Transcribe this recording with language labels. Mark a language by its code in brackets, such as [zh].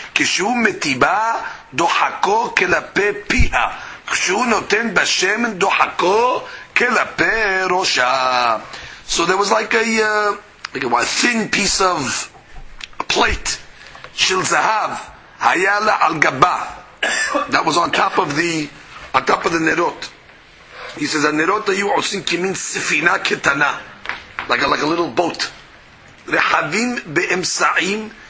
[he] כשהוא מטיבה דוחקו כלפי פיה, כשהוא נותן בשמן דוחקו כלפי ראשה. [en] So there was like a thin piece of a plate [he] של זהב היה לה על גבה. [en] That was on top of the נרות. He says [he] הנרות היו עושים כמין ספינה קטנה, [en] like a little boat, [he] רחבים באמצעים.